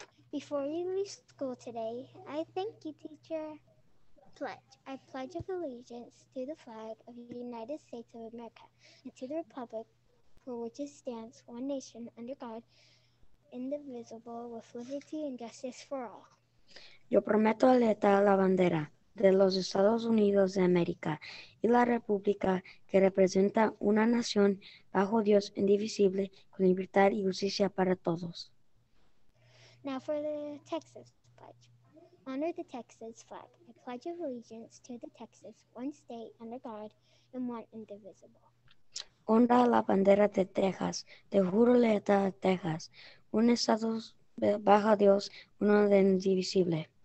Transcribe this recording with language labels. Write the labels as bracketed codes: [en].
[en] Before you leave school today, I thank you, teacher. I pledge of allegiance to the flag of the United States of America and to the republic for which it stands, one nation, under God, indivisible, with liberty and justice for all. [es] Yo prometo alentar la bandera de los Estados Unidos de América y la República que representa una nación bajo Dios indivisible con libertad y justicia para todos. [en] Now for the Texas Pledge. Honor the Texas flag, a pledge of allegiance to the Texas, one state under God and one indivisible. [es] Honra la bandera de Texas, te juro lealtad a Texas, un estado bajo Dios, uno de indivisible.